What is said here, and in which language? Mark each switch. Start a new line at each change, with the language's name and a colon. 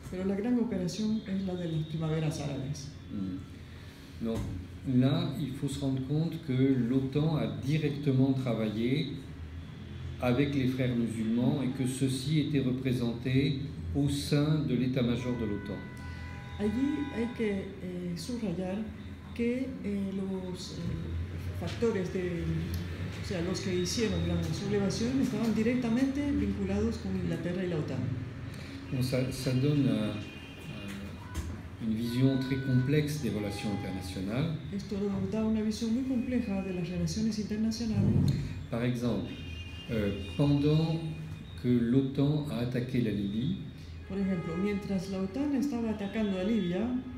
Spanish: Pero la gran operación es la de las primaveras árabes.
French: Non. Là, il faut se rendre compte que l'OTAN a directement travaillé avec les frères musulmans et que ceux-ci étaient représentés au sein de l'état-major de l'OTAN.
Spanish: Allí hay que subrayar que los factores de, o sea, los que hicieron la sublevación estaban directamente vinculados con Inglaterra y la OTAN.
French: Bon, ça donne une vision très complexe des relations internationales.
Spanish: Esto da una visión muy compleja de las relaciones internacionales.
French: Par exemple, pendant que l'OTAN a attaqué la Libye,
Spanish: por ejemplo, mientras la OTAN estaba atacando a Libia,